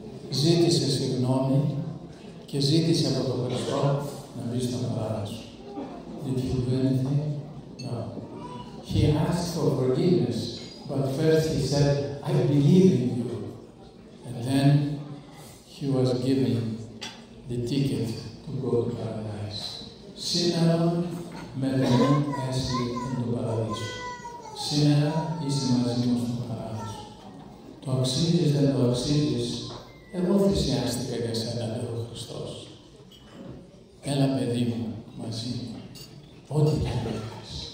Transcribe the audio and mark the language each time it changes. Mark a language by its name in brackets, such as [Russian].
[Greek] Ζήτησε συγγνώμη και ζήτησε από τον Χριστό να μπει στον παράδεισο. [English] Did he do anything? No. He asked for forgiveness, but first he said, I believe in you. And then he was given the ticket to go to paradise. [Greek] Σήμερα με τον εσύ είναι το παράδεισο. Σήμερα είσαι μαζί μου στον παράδεισο. το αξίζεις, δεν το αξίζεις. Εγώ θυσιάστηκα για σένα, λέει ο Χριστός. Έλα, παιδί μου, μαζί μου, ό,τι και αν έχεις.